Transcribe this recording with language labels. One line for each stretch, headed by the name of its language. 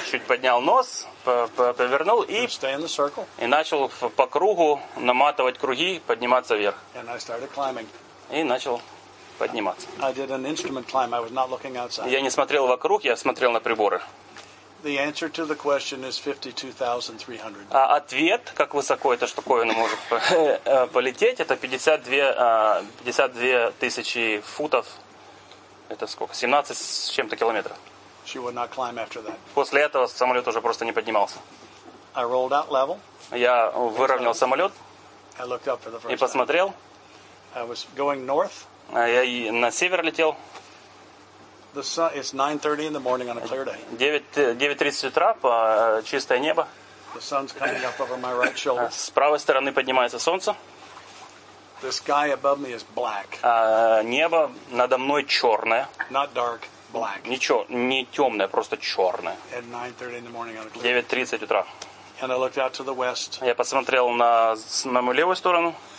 Russian: чуть поднял нос, повернул и начал по кругу наматывать круги, подниматься вверх.
English: And I started climbing.
Russian: И начал подниматься.
English: I did an instrument climb. I was not looking outside.
Russian: Я не смотрел вокруг, я смотрел на приборы.
English: The answer to the question is 52,300.
Russian: А ответ, как высоко эта штуковина может полететь, это 52 тысячи футов. Это сколько? 17 с чем-то километров.
English: She would not climb after that.
Russian: После этого самолет уже просто не поднимался.
English: I rolled out level.
Russian: Я выровнял самолет.
English: I looked up for the first
Russian: и посмотрел.
English: I was going north.
Russian: Я на север летел.
English: The sun, it's 9:30 in the morning on a clear day.
Russian: 9:30 утра, чистое небо.
English: The sun's coming up over my right shoulder.
Russian: С правой стороны поднимается солнце.
English: The sky above me is black.
Russian: Небо надо мной черное.
English: Not dark, black.
Russian: Ничего, не темное, просто черное.
English: At 9:30 in the morning on a clear
Russian: day. 9:30 утра.
English: And I looked out to the west.
Russian: Я посмотрел на мою левую сторону.